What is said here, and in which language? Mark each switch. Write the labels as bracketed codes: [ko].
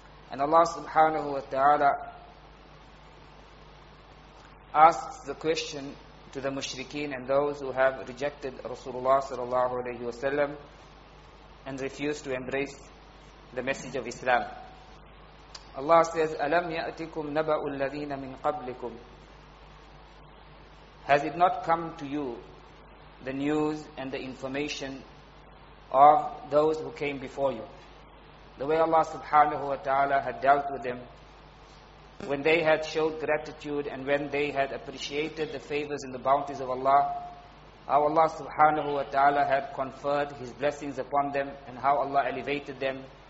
[en] And Allah subhanahu wa ta'ala asks the question to the mushrikeen and those who have rejected Rasulullah sallallahu alayhi wa sallam and refused to embrace the message of Islam. Allah says, [ar] أَلَمْ يَأْتِكُمْ نَبَأُ الَّذِينَ مِنْ قَبْلِكُمْ. [en] Has it not come to you the news and the information of those who came before you? The way Allah subhanahu wa ta'ala had dealt with them, when they had showed gratitude and when they had appreciated the favors and the bounties of Allah, how Allah subhanahu wa ta'ala had conferred His blessings upon them and how Allah elevated them.